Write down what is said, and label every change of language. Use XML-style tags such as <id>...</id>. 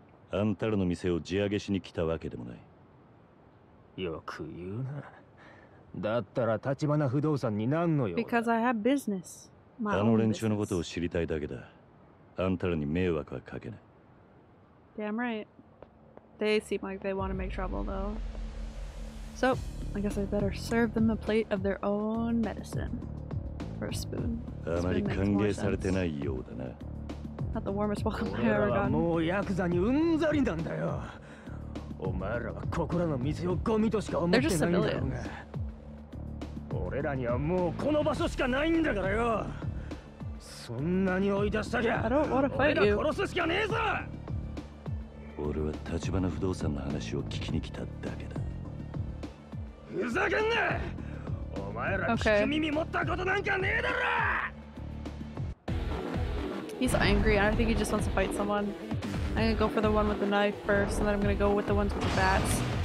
<ja>あんたらの店を地上げしに来たわけでもない。よく言うな。だったら立花不動産に何の用</ja> <en>だ?Because I have business.</en> <ja>あの連中のことを知りたいだけだ。あんたらに迷惑はかけない。</ja> <en>Damn right. They seem like they want to make trouble, though. So, I guess I better serve them a plate of their own medicine. For a spoon.</en> <ja>あまり歓迎されてないようだな。</ja> <en>Not the warmest welcome I've ever gotten.</en> <ja>もうヤクザにうんざりなんだよ。お前らはここらの店をゴミとしか思ってないんだろうが。俺らにはもうこの場所しかないんだからよ。そんなに追い出したじゃ。俺ら殺すしかねえぞ。俺は立花不動産の話を聞きに来ただけだ。ふざけんな。お前ら聞く耳持ったことなんかねえだろ。</ja> <en>He's angry and I think he just wants to fight someone. I'm gonna go for the one with the knife first and then I'm gonna go with the ones with the bats.</en>